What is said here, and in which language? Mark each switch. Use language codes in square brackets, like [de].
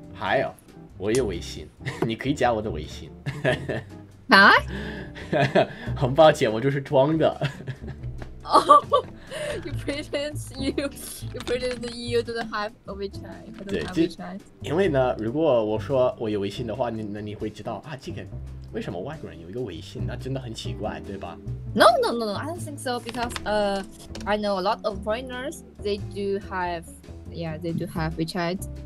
[zh] 还有，我有微信，你可以加我的微信。啊？很抱歉，我就是装的。 [en] Oh, you pretend you don't have a WeChat. [zh] 对，就因为呢，如果我说我有微信的话，你会知道啊，这个为什么外国人有一个微信，那真的很奇怪，对吧？ [en] No, I don't think so because I know a lot of foreigners, they do have WeChat.